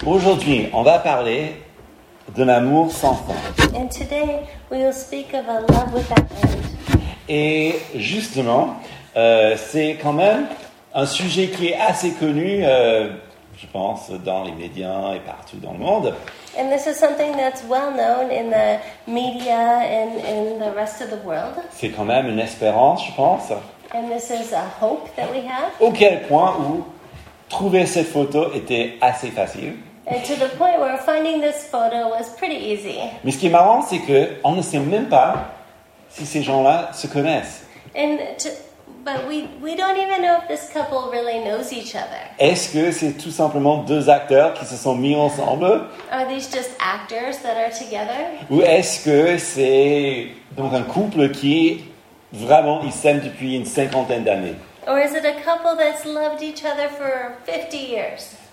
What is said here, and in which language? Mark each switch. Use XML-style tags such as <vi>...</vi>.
<fr>Aujourd'hui, on va parler de l'amour sans fin.</fr> <en>And today, we will speak of a love without end.</en> <fr>Et justement, c'est quand même un sujet qui est assez connu, je pense, dans les médias et partout dans le monde.</fr> <en>And this is something that's well known in the media and in the rest of the world.</en> <fr>C'est quand même une espérance, je pense.</fr> <en>And this is a hope that we have.</en> <fr>Au quel point où trouver cette photo était assez facile.</fr> <en>And to the point where finding this photo was pretty easy.</en> <fr>Mais ce qui est marrant, c'est que on ne sait même pas si ces gens-là se connaissent.</fr> <en>And but we don't even know if this couple really knows each other.</en> <fr>Est-ce que c'est tout simplement deux acteurs qui se sont mis ensemble?</fr> <en>Are these just actors that are together?</en> <fr>Ou est-ce que c'est donc un couple qui vraiment ils s'aiment depuis une cinquantaine d'années?</fr> <en>Or is it a couple that's loved each other for 50 years?</en>